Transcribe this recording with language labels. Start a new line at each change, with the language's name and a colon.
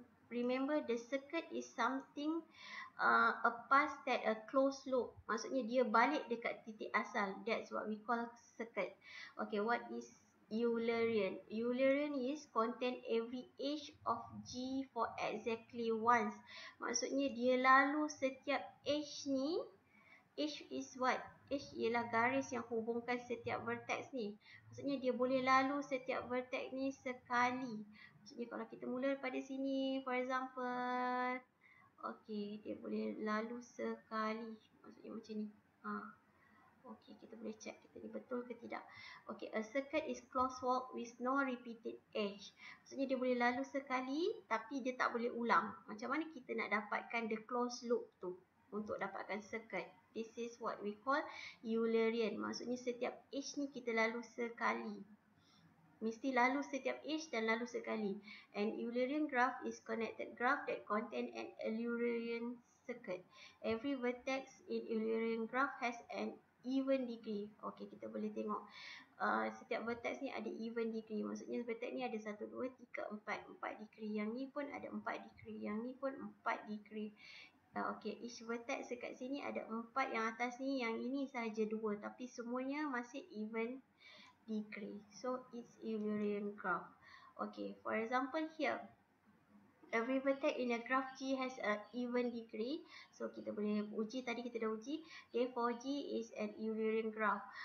English: remember the circuit is something a path that a closed loop.
Malay: Maksudnya dia balik dekat titik asal.
English: That's what we call circuit. Okay, what is Eulerian? Eulerian is contain every edge of G for exactly once.
Malay: Maksudnya dia lalu setiap edge ni.
English: H is what?
Malay: H ialah garis yang hubungkan setiap vertex ni. Maksudnya dia boleh lalu setiap vertex ni sekali. Maksudnya kalau kita mula daripada sini,
English: for example.
Malay: Okay, dia boleh lalu sekali. Maksudnya macam ni. Ha. Okay, kita boleh check kita ni betul ke tidak.
English: Okay, a circuit is closed walk with no repeated edge.
Malay: Maksudnya dia boleh lalu sekali tapi dia tak boleh ulang. Macam mana kita nak dapatkan the closed loop tu untuk dapatkan circuit?
English: This is what we call Eulerian.
Malay: Maksudnya setiap edge ni kita lalu sekali. Mesti lalu setiap edge dan lalu sekali.
English: An Eulerian graph is connected graph that contain an Eulerian circuit. Every vertex in Eulerian graph has an even degree.
Malay: Okay, kita boleh tengok. Setiap vertex ni ada even degree. Maksudnya vertex ni ada 1, 2, 3, 4. 4 degree. Yang ni pun ada 4 degree. Yang ni pun 4 degree. Okay, each vertex dekat sini ada 4 yang atas ni, yang ini sahaja 2. Tapi semuanya masih even degree.
English: So, it's Eulerian graph. Okay, for example here. Every vertex in a graph G has an even degree.
Malay: So, kita boleh uji, tadi kita dah uji.
English: Therefore, G is an Eulerian graph.